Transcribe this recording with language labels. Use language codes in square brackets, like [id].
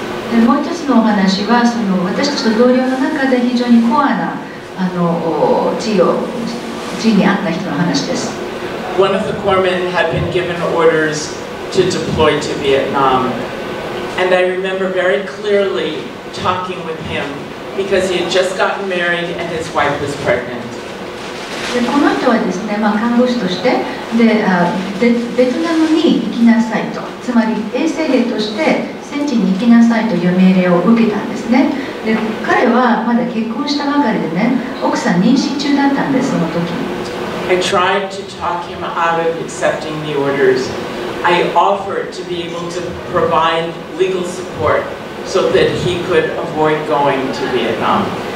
[ja] でもう一つのお話はその私たちと同僚の中で非常にコアなあの地にあった人の話です。 [en] One of the corpsmen had been given orders to deploy to Vietnam, and I remember very clearlyTalking with him because he had just gotten married and his wife was pregnant. [ja] でこの人はですね、まあ、看護師としてで、ベトナムに行きなさいと、つまり衛生兵として戦地に行きなさいという命令を受けたんですね。で彼はまだ結婚したばかりでね、奥さん妊娠中だったんです、その時。 [en] I tried to talk him out of accepting the orders. I offered to be able to provide legal support. So that he could avoid going to Vietnam.